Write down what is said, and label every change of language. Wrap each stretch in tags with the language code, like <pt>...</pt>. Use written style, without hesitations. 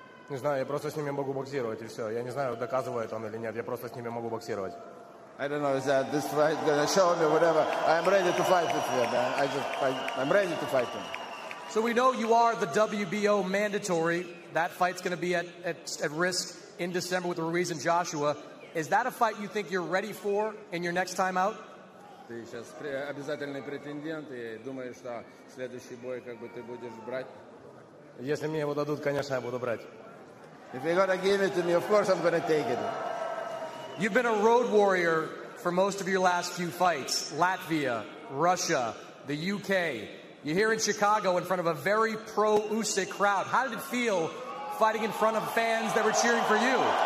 <ru>Не знаю, я просто с ними могу боксировать, и все. Я не знаю, доказывает он или нет. Я просто с ними могу боксировать.</ru> <en>I don't know, is that this fight gonna show me whatever. I'm ready to fight with him. I'm ready to fight him. So we know you are the WBO mandatory. That fight's gonna be at risk in December with Ruiz and Joshua. Is that a fight you think you're ready for in your next time out?</en> <ru>Ты сейчас обязательный претендент, и думаешь, что следующий бой как бы ты будешь брать? Если мне его дадут, конечно, я буду брать.</ru> <en>If you're gonna give it to me, of course I'm gonna take it. You've been a road warrior for most of your last few fights. Latvia, Russia, the UK. You're here in Chicago in front of a very pro-Usyk crowd. How did it feel fighting in front of fans that were cheering for you?</en>